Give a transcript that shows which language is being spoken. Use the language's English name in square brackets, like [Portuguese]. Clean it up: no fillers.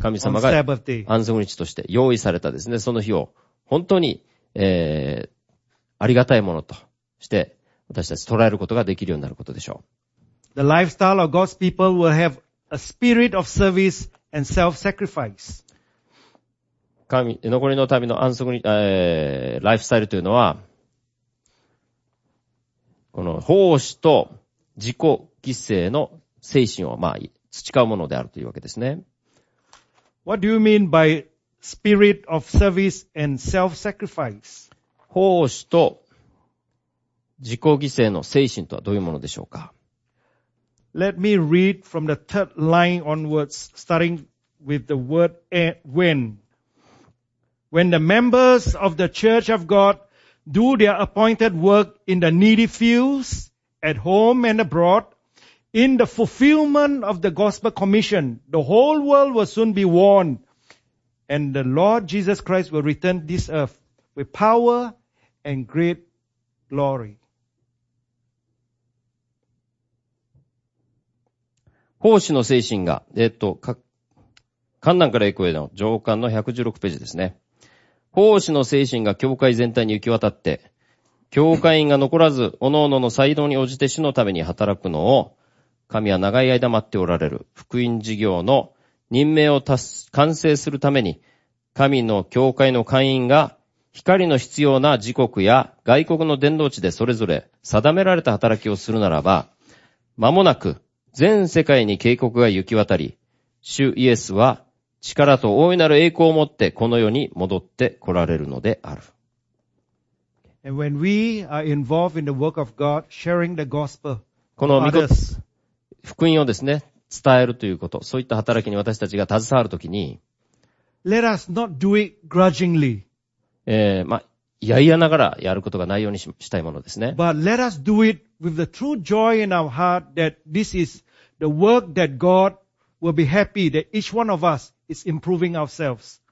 [Japanese] 神様が安息日として用意されたですね、その日を本当に、ありがたいものとして、私たち捉えることができるようになることでしょう。 [English] The lifestyle of God's people will have a spirit of service and self-sacrifice. [Japanese] 神、残りの民の安息日、ライフスタイルというのは、この奉仕と自己犠牲の精神を、まあ、培うものであるというわけですね。 [English] What do you mean by spirit of service and self-sacrifice? [Japanese] 奉仕と自己犠牲の精神とはどういうものでしょうか。 [English] Let me read from the third line onwards, starting with the word when. When the members of the church of God do their appointed work in the needy fields, at home and abroad, in the fulfillment of the gospel commission, the whole world will soon be warned, and the Lord Jesus Christ will return this earth with power and great glory. [Japanese] 奉仕の精神が、観覧から行く上の上巻の116ページですね。奉仕の精神が教会全体に行き渡って、教会員が残らず、各々の才能に応じて主のために働くのを、神は長い間待っておられる、福音事業の任命を完成するために、神の教会の会員が、光の必要な時刻や外国の伝道地でそれぞれ定められた働きをするならば、間もなく、全世界に警告が行き渡り、主イエスは力と大いなる栄光を持ってこの世に戻って来られるのである。 [English] And when we are involved in the work of God, sharing the gospel, [Japanese] この御言葉、福音をですね、伝えるということ、そういった働きに私たちが携わるときに、 [English] Let us not do it grudgingly. [Japanese] まあ、やいやながらやることがないように したいものですね。 [English] But let us do itWith the true joy in our heart that this is the work that God will be happy that each one of us is improving ourselves.